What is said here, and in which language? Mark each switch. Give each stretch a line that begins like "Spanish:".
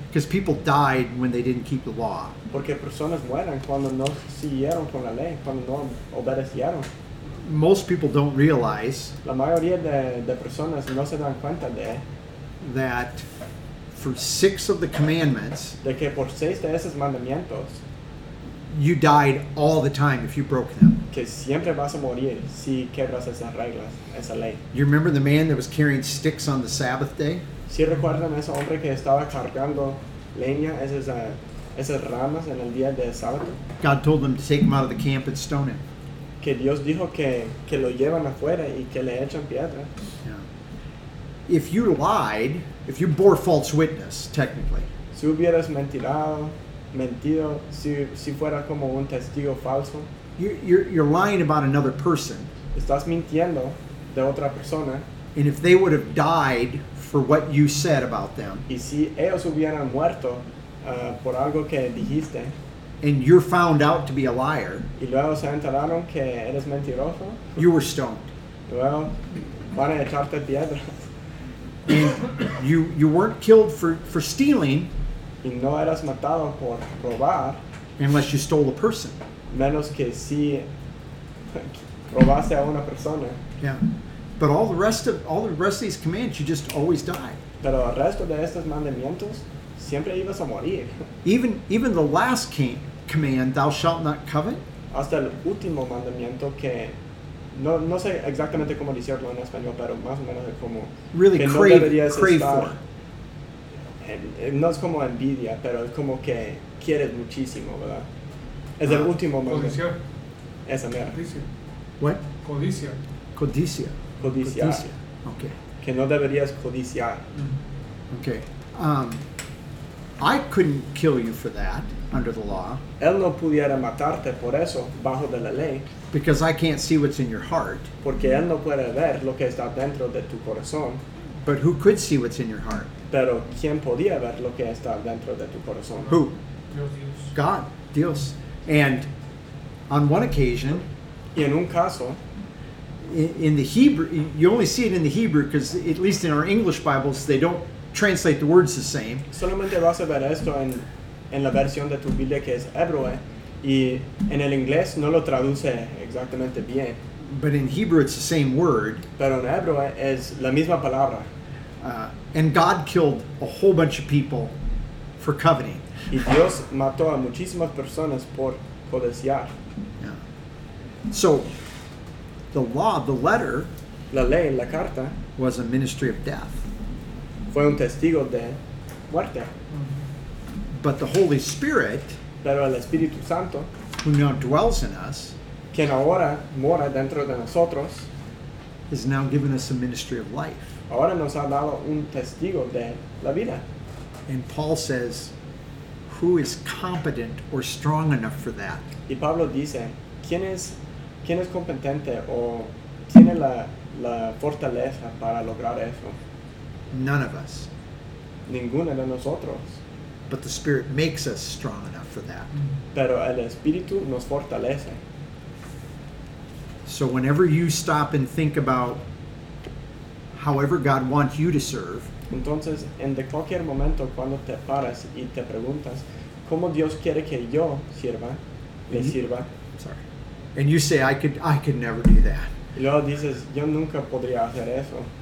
English: Because people died when they didn't keep the law.
Spanish: Porque personas mueren cuando no siguieron con la ley, cuando no obedecieron.
English: Most people don't realize,
Spanish: la mayoría de personas no se dan cuenta de,
English: that for 6 of the commandments,
Spanish: de que por 6 de esos mandamientos,
English: you died all the time if you broke them.
Spanish: Que siempre vas a morir si quebras esas reglas, esa ley.
English: You remember the man that was carrying sticks on the Sabbath day?
Spanish: ¿Sí recuerdan ese hombre que estaba cargando leña, esas ramas en el día de sábado?
English: God told them to take him out of the camp and stone him.
Spanish: Que Dios dijo que lo llevan afuera y que le echan piedra.
English: If you lied, if you bore false witness, technically.
Spanish: Si hubieras mentido, si fuera como un testigo falso.
English: You're lying about another person.
Spanish: Estás mintiendo. de otra persona.
English: And if they would have died for what you said about them.
Spanish: Y si ellos hubieran muerto por algo que dijiste.
English: And you're found out to be a liar.
Spanish: Y luego se enteraron que eres mentiroso.
English: You were stoned.
Spanish: Well, van a echarte piedra.
English: And you weren't killed for stealing.
Spanish: Y no eras matado por robar.
English: Unless you stole a person.
Spanish: Menos que si robaste a una persona. Yeah.
English: But all the rest of these commands, you just always die.
Spanish: Pero el resto de estos mandamientos, siempre ibas a morir.
English: Even the last command, thou shalt not covet.
Spanish: Hasta el último mandamiento que... No sé exactamente cómo decirlo en español, pero más o menos es como...
English: Really
Spanish: que
English: crave
Spanish: estar,
English: for.
Spanish: No es como envidia, pero es como que quieres muchísimo, ¿verdad? Es el último mandamiento. Codicia. Esa mera. Codicia.
English: What?
Spanish: Codicia. Codicia. Codiciar. Codicia. Okay. Que no deberías codiciar. Mm-hmm. Okay.
English: I couldn't kill you for that under the law.
Spanish: Él no pudiera matarte por eso bajo de la ley.
English: Because I can't see what's in your heart.
Spanish: Porque él no puede ver lo que está dentro de tu corazón.
English: But who could see what's in your heart?
Spanish: Pero quién podía ver lo que está dentro de tu corazón?
English: Who?
Spanish: Dios.
English: God. Dios. And on one occasion.
Spanish: Y en un caso.
English: In the Hebrew, you only see it in the Hebrew because, at least in our English Bibles, they don't translate the words the same.
Spanish: Solamente vas a ver esto en la versión de tu Biblia que es hebreo, y en el inglés no lo traduce exactamente bien.
English: But in Hebrew, it's the same word.
Spanish: Pero en hebreo es la misma palabra.
English: And God killed a whole bunch of people for coveting.
Spanish: Y Dios mató a muchísimas personas por codiciar.
English: Yeah. So. The law, the letter,
Spanish: la ley, la carta,
English: was a ministry of death.
Spanish: Fue un testigo de muerte.
English: But the Holy Spirit,
Spanish: pero el Espíritu Santo,
English: who now dwells in us,
Spanish: quien ahora mora dentro de nosotros,
English: has now given us a ministry of life.
Spanish: Ahora nos ha dado un testigo de la vida.
English: And Paul says, who is competent or strong enough for that?
Spanish: Y Pablo dice, ¿Quién es competente o tiene la fortaleza para lograr eso?
English: None of us.
Spanish: Ninguno de nosotros.
English: But the Spirit makes us strong enough for that.
Spanish: Pero el Espíritu nos fortalece.
English: So whenever you stop and think about however God wants you to serve,
Spanish: entonces en de cualquier momento cuando te paras y te preguntas cómo Dios quiere que yo sirva, le sirva.
English: Sorry. And you say, I could never do that.
Spanish: Y luego dices, yo nunca podría hacer eso.